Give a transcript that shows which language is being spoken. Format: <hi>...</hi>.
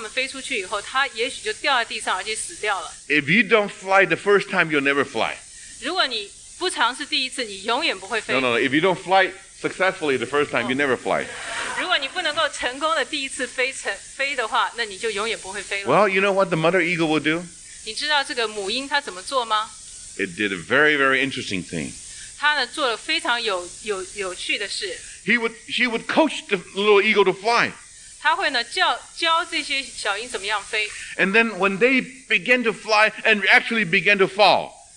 <zh>让我告诉你，有很多的鹰，它们飞出去以后，它也许就掉在地上，而且死掉了。</zh> <en>If you don't fly the first time, you'll never fly.</en> <zh>如果你不尝试第一次，你永远不会飞。</zh> <en>No, if you don't fly successfully the first time, you never fly.</en> <zh>如果你不能够成功的第一次飞的话，那你就永远不会飞了。</zh> <en>Well, you know what the mother eagle will do?</en> <zh>你知道这个母鹰它怎么做吗？</zh> <en>It did a very, very interesting thing.</en> <zh>他呢做了非常有趣的事。</zh> <en>She would coach the little eagle to fly.</en> <zh>他会呢教这些小鹰怎么样飞。</zh> <en>And then when they began to fly and actually began to fall.</en>